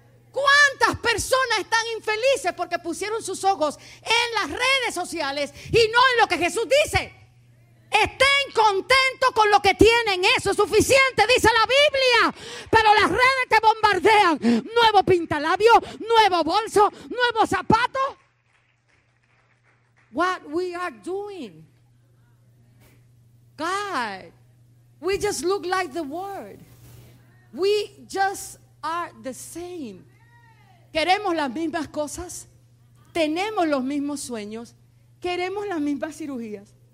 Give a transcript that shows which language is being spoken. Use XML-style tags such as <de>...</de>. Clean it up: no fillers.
<es>¿Cuántas personas están infelices porque pusieron sus ojos en las redes sociales y no en lo que Jesús dice? Estén contentos con lo que tienen, eso es suficiente, dice la Biblia. Pero las redes te bombardean: nuevo pintalabio, nuevo bolso, nuevo zapato.</es> <en>What we are doing, God, we just look like the world. We just are the same.</en> <es>Queremos las mismas cosas, tenemos los mismos sueños, queremos las mismas cirugías.</es>